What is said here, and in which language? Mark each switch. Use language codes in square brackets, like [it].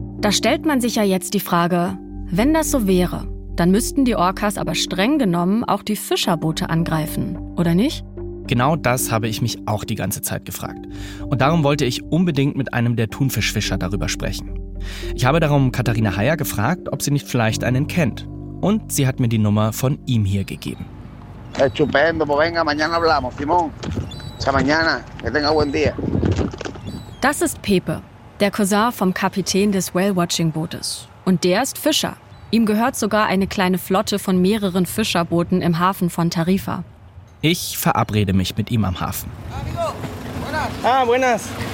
[de] Da stellt man sich ja jetzt die Frage, wenn das so wäre, dann müssten die Orcas aber streng genommen auch die Fischerboote angreifen, oder nicht? Genau das habe ich mich auch die ganze Zeit gefragt. Und darum wollte ich unbedingt mit einem der Thunfischfischer darüber sprechen. Ich habe darum Katharina Heyer gefragt, ob sie nicht vielleicht einen kennt. Und sie hat mir die Nummer von ihm hier gegeben. [es] Estupendo, pues venga, mañana hablamos, Simón. Hasta mañana, que tenga buen día. [de] Das ist Pepe, der Cousin vom Kapitän des Whale-Watching-Bootes. Und der ist Fischer. Ihm gehört sogar eine kleine Flotte von mehreren Fischerbooten im Hafen von Tarifa. Ich verabrede mich mit ihm am Hafen. [es] Amigo, buenas. Ah, buenas.